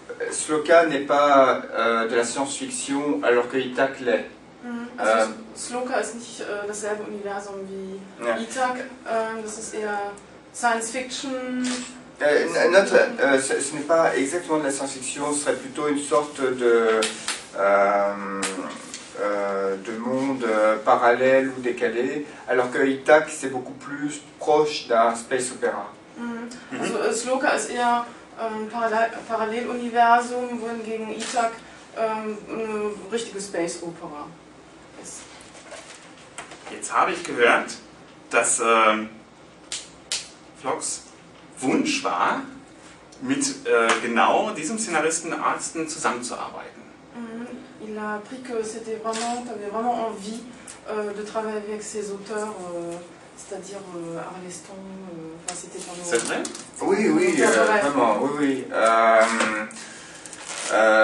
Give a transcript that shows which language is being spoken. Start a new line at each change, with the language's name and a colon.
French: Schlucker n'est pas de la science-fiction, alors que Utak l'est.
German: Schlucker ist nicht dasselbe Universum wie Utak. Das ist eher Science-Fiction.
French: Ce n'est pas exactement de la science-fiction, ce serait plutôt une sorte de monde parallèle ou décalé, alors que Utak c'est beaucoup plus proche d'un space opéra.
German: Schlucker ist eher Paralleluniversum, wohingegen Utak eine richtige space opera ist. Jetzt habe ich gehört, dass Flocks Wunsch war, mit genau diesem Szenaristen Arsten zusammenzuarbeiten.
French: Il a appris que c'était vraiment, t'avais vraiment envie de travailler avec ces auteurs, c'est-à-dire Arleston, enfin c'était vraiment. C'est vrai? Oui, oui, vraiment, oui, oui.